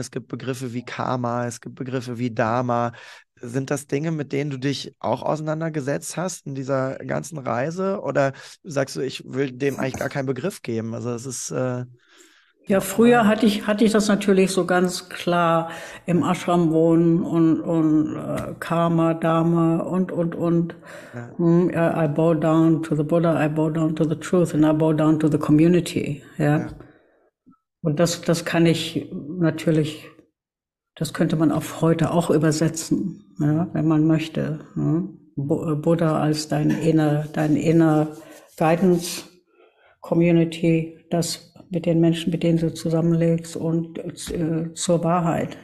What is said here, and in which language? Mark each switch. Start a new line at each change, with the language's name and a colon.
German: Es gibt Begriffe wie Karma, es gibt Begriffe wie Dharma. Sind das Dinge, mit denen du dich auch auseinandergesetzt hast in dieser ganzen Reise? Oder sagst du, ich will dem eigentlich gar keinen Begriff geben? Also es ist ja, früher hatte ich das natürlich so ganz klar im Ashram wohnen und Karma, Dharma und. Ja.
English: I bow down to the Buddha, I bow down to the truth and I bow down to the community.
German: Ja. Ja. Und das kann ich natürlich, das könnte man auf heute auch übersetzen, ja, wenn man möchte. Ja. Buddha als dein
English: inner Guidance Community,
German: das mit den Menschen, mit denen du zusammenlegst und zur Wahrheit.